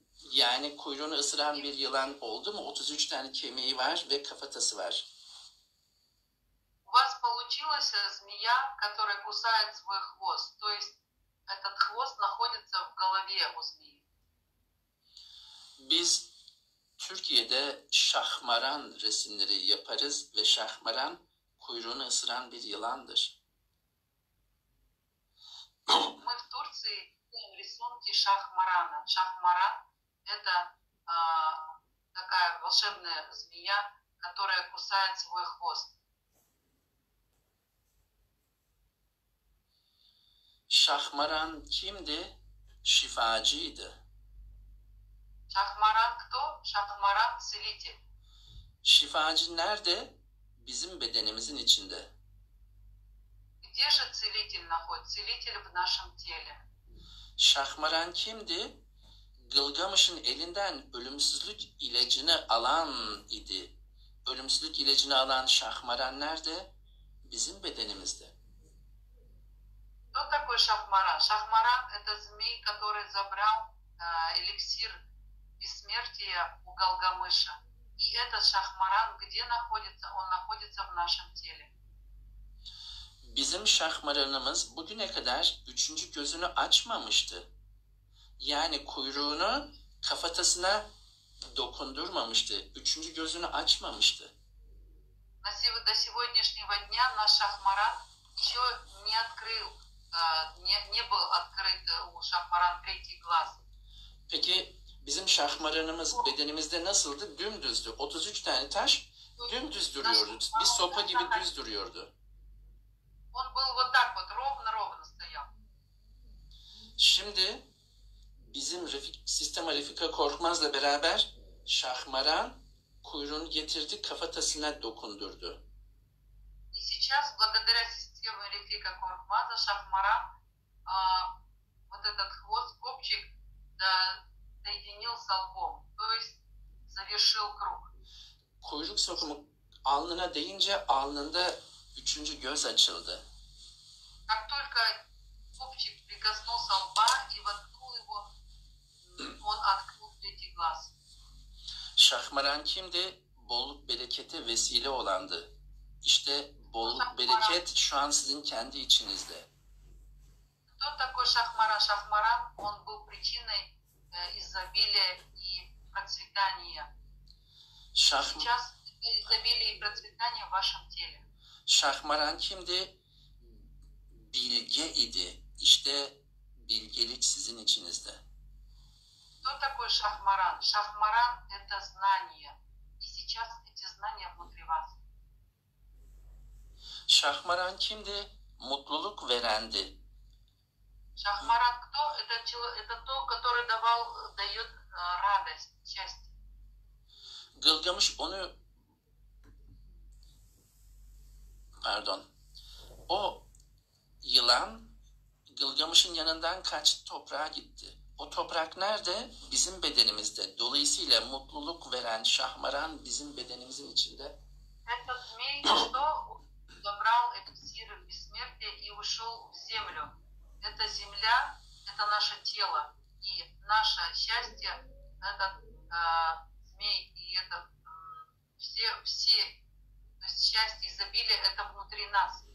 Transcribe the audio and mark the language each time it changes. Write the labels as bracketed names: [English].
[Turkish] Yani kuyruğunu ısıran bir yılan oldu mu? 33 tane kemiği var ve kafatası var. [Russian] У вас получилась змея, которая кусает свой хвост. То есть этот хвост находится в голове у змеи. [Turkish] Biz Türkiye'de şahmaran resimleri yaparız ve şahmaran kuyruğunu ısıran bir yılandır. [Russian] Мы в Турции делаем рисунки шахмарана. Шахмаран — это такая волшебная змея, которая кусает свой хвост. [Turkish] Şahmaran kimdi? Şifacıydı. [Russian] Şahmaran kto? Şahmaran siliti. [Turkish] Şifacı nerede? Bizim bedenimizin içinde. [Russian] Где же целитель находится? Целитель в нашем теле. [Turkish] Şahmaran kimdi? Gılgamış'ın elinden ölümsüzlük ilacını alan idi. Ölümsüzlük ilacını alan Şahmaran nerede? Bizim bedenimizde. [Russian] Кто такой Шахмаран? Шахмаран — это змей, который забрал эликсир бессмертия у Галгамыша. И этот Шахмаран где находится? Он находится в нашем теле. [Turkish] Bizim Şahmaran'ımız bugüne kadar üçüncü gözünü açmamıştı. Yani kuyruğunu kafatasına dokundurmamıştı. Üçüncü gözünü açmamıştı. [Russian] До сегодняшнего дня наш Шахмаран еще не открыл. Не был открыт у Шахмаран третий глаз. [Turkish] Peki bizim Şahmaran'ımız bedenimizde nasıldı? Dümdüzdü. 33 tane taş dümdüz duruyordu. Bir sopa gibi düz duruyordu. [Russian] Он был вот так вот ровно стоял. [Turkish] Şimdi bizim sistem Refika Korkmaz'la beraber Şahmaran kuyruğunu getirdi, kafatasına dokundurdu. [Russian] И сейчас благодаря системе Рефика Корхмаза Шахмаран вот этот хвост, копчик, да, соединил с лбом, то есть завершил круг. [Turkish] Kuyruk sokumu alnına deyince alnında üçüncü göz açıldı. [Russian] Как только пупчик прикоснулся лба и воткнул его, он открыл третий глаз. [Turkish] Şahmaran kimdi? Bolluk berekete vesile olandı. İşte bolluk bereket şu an sizin kendi içinizde. [Russian] Кто такой Шахмаран? Шахмаран, он был причиной изобилия и процветания. Сейчас изобилие и процветание в вашем теле. [Turkish] Şahmaran kimdi? Bilge idi. İşte bilgelik sizin içinizde. [Russian] Кто такой Шахмаран? Шахмаран – это знание. И сейчас эти знания внутри вас. [Turkish] Şahmaran kimdi? Mutluluk verendi. [Russian] Şahmaran кто? Это человек, это тот, который давал, дает радость, счастье. [Turkish] Gılgamış onu... Pardon. O yılan Gılgamış'ın yanından kaçtı, toprağa gitti. O toprak nerede? Bizim bedenimizde. Dolayısıyla mutluluk veren Şahmaran bizim bedenimizin içinde. [Russian] Этот змей, что забрал эликсир бессмертия и ушел в землю. Эта земля, это наше тело. И наше счастье, этот змей и это все счастье, изобилие, это внутри нас.